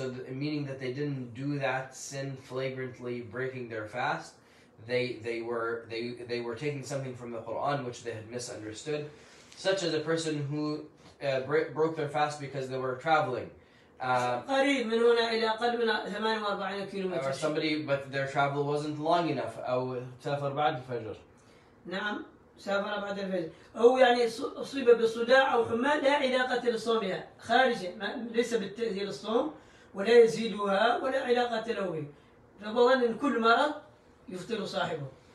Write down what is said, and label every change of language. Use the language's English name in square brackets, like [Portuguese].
[English] Meaning that they didn't do that sin flagrantly, breaking their fast. They were taking something from the Quran which they had misunderstood, such as a person who broke their fast because they were traveling. [Arabic] قريب من هنا إلى قرب 48 كيلومتر. [English] Or somebody, but their travel wasn't long enough. [Arabic] أو سافر بعد الفجر. نعم سافر بعد الفجر. أو يعني أصيب بصداع أو حمى لا علاقة للصوم بها خارجة ليس بالتأثير الصوم ولا يزيدها ولا علاقة له. فبظن إن كل مرض يفطر صاحبه.